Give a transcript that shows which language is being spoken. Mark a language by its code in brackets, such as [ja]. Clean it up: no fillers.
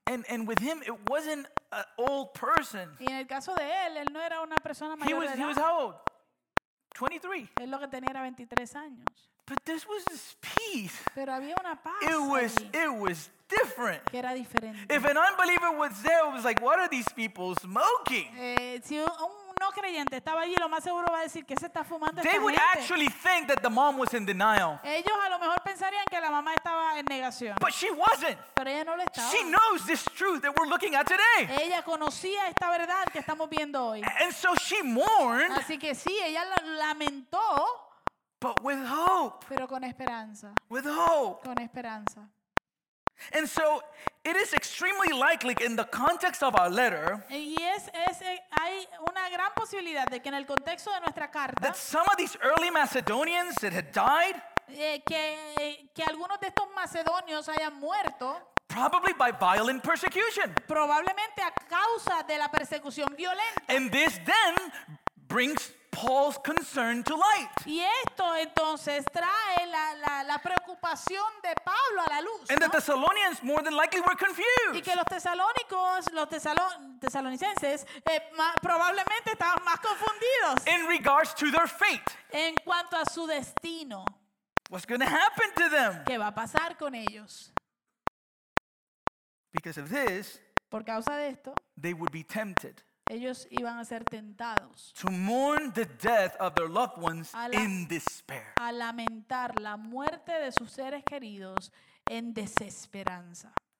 [en] And with him, it wasn't an old person. [es] Y en el caso de él no era una persona mayor. [en] He was how old? 23. [es] Él lo que tenía era 23 años. [en] But this was his peace. [es] Pero había una paz. [en] It was different. [es] Que era diferente. [en] If an unbeliever was there, it was like, what are these people smoking? [es] Si un no creyente estaba allí, lo más seguro va a decir, ¿qué se está fumando? [en] They would actually think that the mom was in denial. [es] Ellos a lo mejor pensarían que la mamá estaba en negación. [en] But she wasn't. [es] Pero ella no lo estaba. [en] She knows this truth that we're looking at today. [es] Ella conocía esta verdad que estamos viendo hoy. [en] And so she mourned. [es] Así que sí, ella lamentó. [en] But with hope. [es] Pero con esperanza. [en] With hope. [es] Con esperanza. [en] And so it is extremely likely in the context of our letter that some of these early Macedonians that had died [es] que algunos de estos macedonios hayan muerto, [en] probably by violent persecution. [es] Probablemente a causa de la persecución violenta. [en] And this then brings Paul's concern to light. [es] Y esto entonces trae la preocupación de Pablo a la luz. [en] And the Thessalonians more than likely were confused. [es] Y que los tesalonicenses probablemente estaban más confundidos. [en] In regards to their fate. [es] En cuanto a su destino. [en] What's going to happen to them? [es] ¿Qué va a pasar con ellos? [en] Because of this. [es] Por causa de esto. [en] They would be tempted. [es] Ellos iban a ser tentados [en] to mourn the death of their loved ones in despair. [es] A lamentar la muerte de sus seres queridos en desesperanza.